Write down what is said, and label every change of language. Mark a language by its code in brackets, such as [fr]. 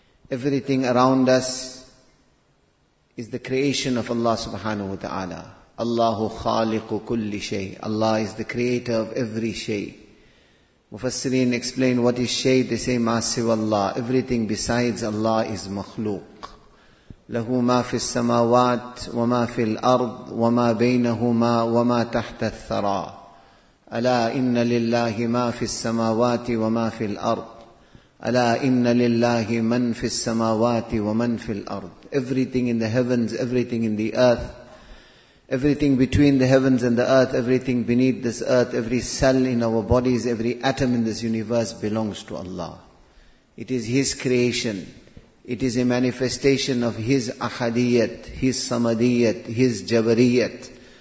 [en] Everything around us is the creation of Allah subhanahu wa ta'ala. [ar] Allahu khaliqu kulli shay. [en] Allah is the creator of every shay. Mufassirin explain what is shay. They say [ar] ma siwallah. [en] Everything besides Allah is makhluq. [ar] له ما في السماوات وما في الأرض وما بينهما وما تحت الثرى ألا إن لله ما في السماوات وما في الأرض ألا إن لله من في السماوات ومن في الأرض. [en] Everything in the heavens, everything in the earth, everything between the heavens and the earth, everything beneath this earth, every cell in our bodies, every atom in this universe belongs to Allah. It is His creation. It is a manifestation of His ahadiyat, His samadiyat, His jabariyat.